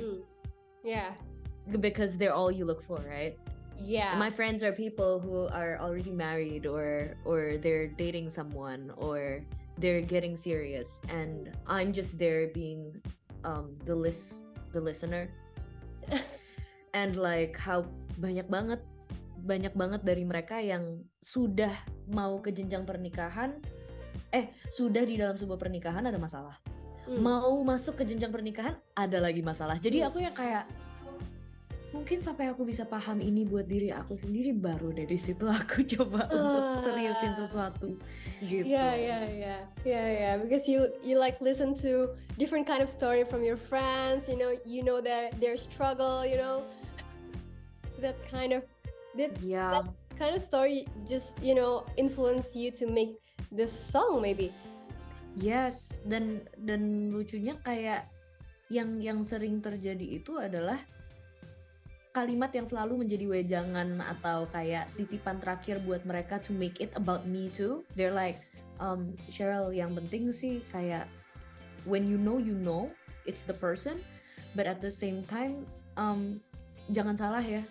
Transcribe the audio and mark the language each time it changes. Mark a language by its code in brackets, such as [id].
[en] Mm. Yeah. Because they're all you look for, right? Yeah. My friends are people who are already married or they're dating someone or they're getting serious, and I'm just there being the listener. And like how [id] banyak banget dari mereka yang sudah mau ke jenjang pernikahan, sudah di dalam sebuah pernikahan ada masalah. Mau masuk ke jenjang pernikahan ada lagi masalah. Jadi aku yang kayak mungkin sampai aku bisa paham ini buat diri aku sendiri, baru dari situ aku coba untuk seriusin sesuatu gitu. Yeah. [en] Because you like listen to different kind of story from your friends, you know their struggle, you know. That kind of story just, you know, influence you to make this song maybe. [id] Yes, dan lucunya kayak yang sering terjadi itu adalah kalimat yang selalu menjadi wejangan atau kayak titipan terakhir buat mereka [en] to make it about me too. They're like, Sheryl, [id] yang penting sih kayak [en] when you know, it's the person, but at the same time, [id] jangan salah ya.